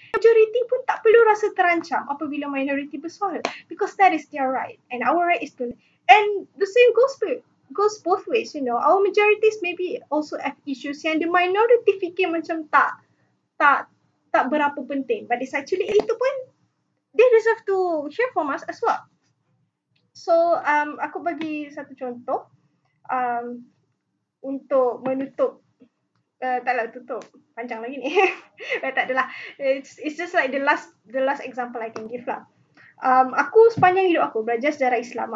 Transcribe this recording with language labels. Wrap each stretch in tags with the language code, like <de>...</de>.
<ms>Majority pun tak perlu rasa terancam apabila minority bersuara,</ms> <en>because that is their right and our right is to. And the same goes both ways, you know. Our majorities maybe also have issues yang the minority</en> <ms>fikir macam tak berapa penting.</ms> <en>But it's actually,</en> <ms>itu pun,</ms> <en>they deserve to hear from us as well.</en> <ms>So, aku bagi satu contoh untuk menutup. Taklah tutup, panjang lagi ni. Tak adalah.</ms> <en>It's just like the last example I can give lah.</en> <ms>Aku sepanjang hidup aku belajar sejarah Islam.</ms>